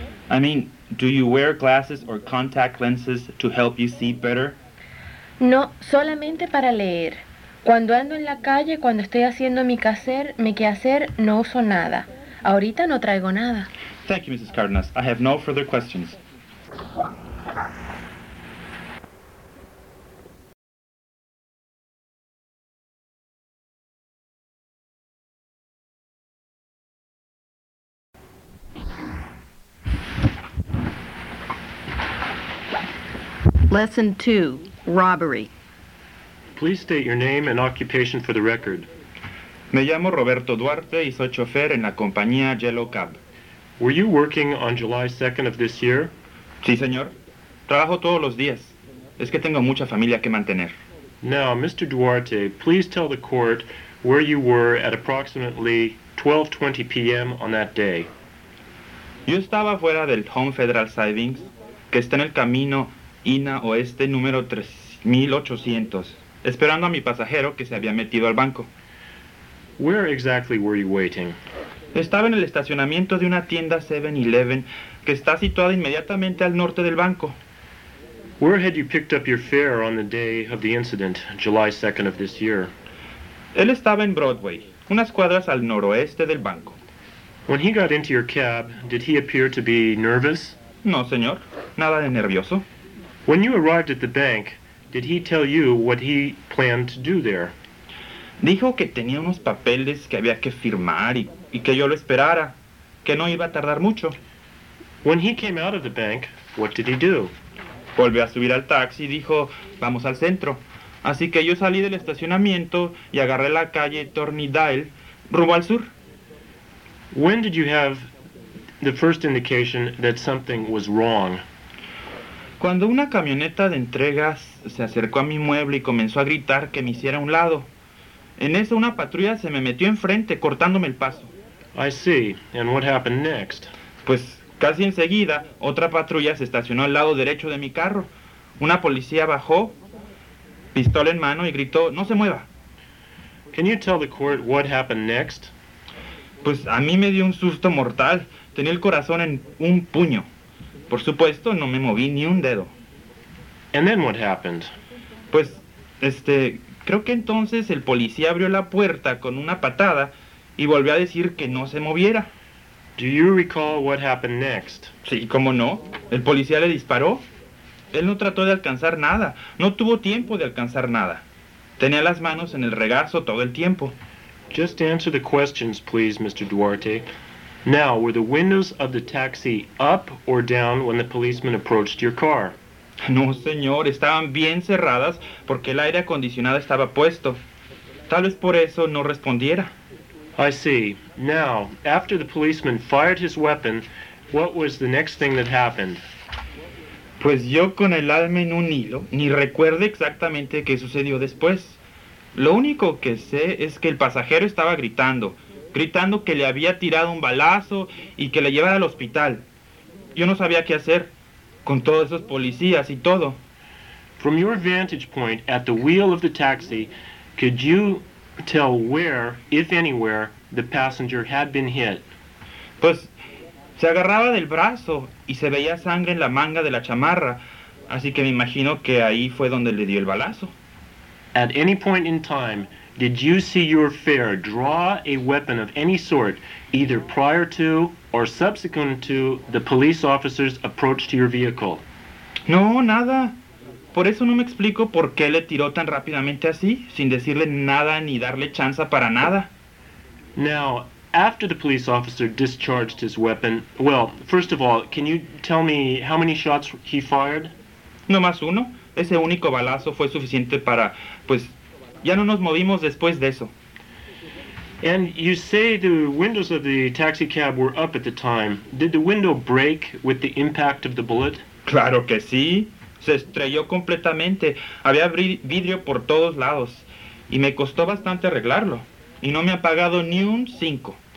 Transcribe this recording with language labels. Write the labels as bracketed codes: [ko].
[en] I mean, do you wear glasses or contact lenses to help you see better? [es] No, solamente para leer. Cuando ando en la calle, cuando estoy haciendo mi quehacer, no uso nada. Ahorita no traigo nada. [en] Thank you, Mrs. Cardenas. I have no further questions. Lesson 2, robbery. Please state your name and occupation for the record. [es] Me llamo Roberto Duarte y soy chofer en la compañía Yellow Cab. [en] Were you working on July 2nd of this year? [es] Sí, señor. Trabajo todos los días. Es que tengo mucha familia que mantener. [en] Now, Mr. Duarte, please tell the court where you were at approximately 12:20 p.m. on that day. [es] Yo estaba fuera del Home Federal Savings, que está en el camino INA Oeste número 3800, esperando a mi pasajero que se había metido al banco. [en] Where exactly were you waiting? [es] Estaba en el estacionamiento de una tienda 7-Eleven que está situada inmediatamente al norte del banco. [en] Where had you picked up your fare on the day of the incident, July 2nd of this year? [es] Él estaba en Broadway, unas cuadras al noroeste del banco. [en] When he got into your cab, did he appear to be nervous? [es] No, señor. Nada de nervioso. [en] When you arrived at the bank, did he tell you what he planned to do there? [es] Dijo que tenía unos papeles que había que firmar y que yo lo esperara, que no iba a tardar mucho. [en] When he came out of the bank, what did he do? [es] Volvió a subir al taxi y dijo, vamos al centro. Así que yo salí del estacionamiento y agarré la calle Tornidale, rumbo al sur. [en] When did you have the first indication that something was wrong? [es] Cuando una camioneta de entregas se acercó a mi mueble y comenzó a gritar que me hiciera a un lado. En eso una patrulla se me metió enfrente, cortándome el paso. [en] I see. And what happened next? [es] Pues casi enseguida, otra patrulla se estacionó al lado derecho de mi carro. Una policía bajó, pistola en mano, y gritó, no se mueva. [en] Can you tell the court what happened next? [es] Pues a mí me dio un susto mortal. Tenía el corazón en un puño. Por supuesto, no me moví ni un dedo. [en] And then what happened? [es] Pues, creo que entonces el policía abrió la puerta con una patada y volvió a decir que no se moviera. [en] Do you recall what happened next? [es] Sí, ¿cómo no? El policía le disparó. Él no trató de alcanzar nada. No tuvo tiempo de alcanzar nada. Tenía las manos en el regazo todo el tiempo. [en] Just answer the questions, please, Mr. Duarte. Now, were the windows of the taxi up or down when the policeman approached your car? [es] No, señor. Estaban bien cerradas porque el aire acondicionado estaba puesto. Tal vez por eso no respondiera. [en] I see. Now, after the policeman fired his weapon, what was the next thing that happened? [es] Pues yo con el alma en un hilo, ni recuerdo exactamente qué sucedió después. Lo único que sé es que el pasajero estaba gritando que le había tirado un balazo y que le llevara al hospital. Yo no sabía qué hacer con todos esos policías y todo. [en] From your vantage point at the wheel of the taxi, could you tell where, if anywhere, the passenger had been hit? [es] Pues, se agarraba del brazo y se veía sangre en la manga de la chamarra, así que me imagino que ahí fue donde le dio el balazo. [en] At any point in time, did you see your fare draw a weapon of any sort, either prior to or subsequent to the police officer's approach to your vehicle? [es] No, nada. Por eso no me explico por qué le tiró tan rápidamente así, sin decirle nada ni darle chance para nada. [en] Now, after the police officer discharged his weapon, well, first of all, can you tell me how many shots he fired? [es] No más uno. Ese único balazo fue suficiente para, pues, ya no nos movimos después de eso. [en] And you say the windows of the taxi cab were up at the time. Did the window break with the impact of the bullet? [es] Claro que sí. Se estrelló completamente. Había vidrio por todos lados. Y me costó bastante arreglarlo. Y no me ha pagado ni un cinco.